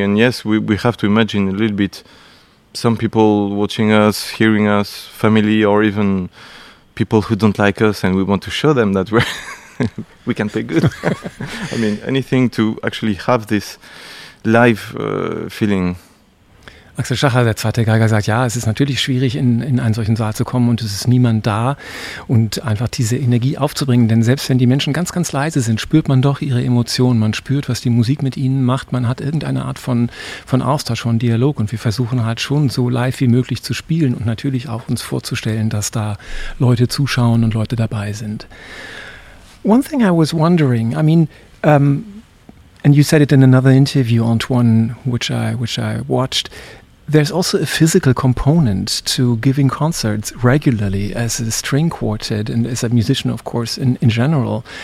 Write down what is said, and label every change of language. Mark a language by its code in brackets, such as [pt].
[en] And yes, we have to imagine a little bit some people watching us, hearing us, family, or even people who don't like us, and we want to show them that we're we can play good. I mean, anything to actually have this live feeling. [de] Axel Schacher, der zweite Geiger, sagt, ja, es ist natürlich schwierig, in einen solchen Saal zu kommen und es ist niemand da und einfach diese Energie aufzubringen. Denn selbst wenn die Menschen ganz, ganz leise sind, spürt man doch ihre Emotionen. Man spürt, was die Musik mit ihnen macht. Man hat irgendeine Art von Austausch, von Dialog. Und wir versuchen halt schon, so live wie möglich zu spielen und natürlich auch uns vorzustellen, dass da Leute zuschauen und Leute dabei sind. [en] One thing I was wondering, I mean, and you said it in another interview, Antoine, which I watched, there's also a physical component to giving concerts regularly as a string quartet and as a musician, of course, in general.